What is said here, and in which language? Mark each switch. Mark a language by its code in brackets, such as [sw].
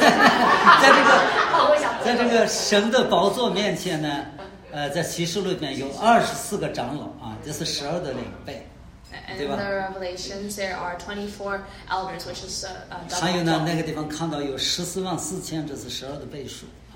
[zh] 在这个神的宝座面前呢，在启示录里面有24个长老这是十二的两倍。 [en] In the Revelations, there are 24 elders, which is double. [zh] 还有呢，那个地方看到有144,000，这是十二的倍数